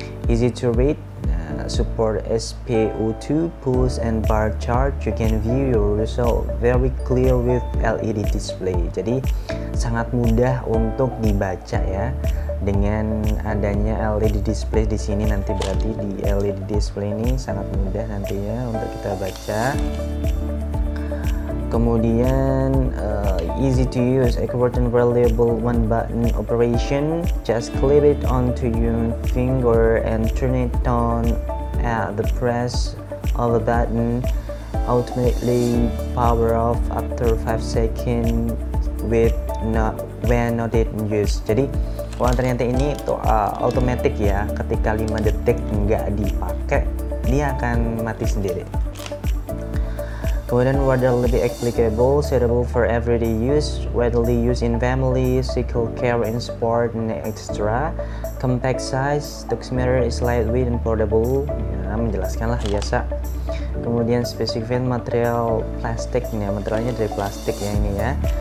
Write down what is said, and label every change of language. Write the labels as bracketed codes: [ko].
[en] Easy to read, support SpO2 pulse and bar chart. You can view your result very clear with LED display. [id] Jadi sangat mudah untuk dibaca ya. Dengan adanya LED display di sini, nanti berarti di LED display ini sangat mudah nantinya untuk kita baca. Kemudian [en] easy to use, accurate and reliable one button operation. Just clip it onto your finger and turn it on at the press of the button. Automatically power off after 5 seconds with not when not in use. [id] Jadi kalau ternyata ini tuh automatic ya, ketika 5 detik nggak dipakai dia akan mati sendiri. Kemudian wardah lebih [en] applicable, suitable for everyday use, readily used in family, physical care, in sport, and extra. Compact size, the oximeter is lightweight and portable. Yeah. [id] sana menjelaskan lah biasa. Kemudian spesifikasi material plastiknya, materialnya dari plastik ya ini ya.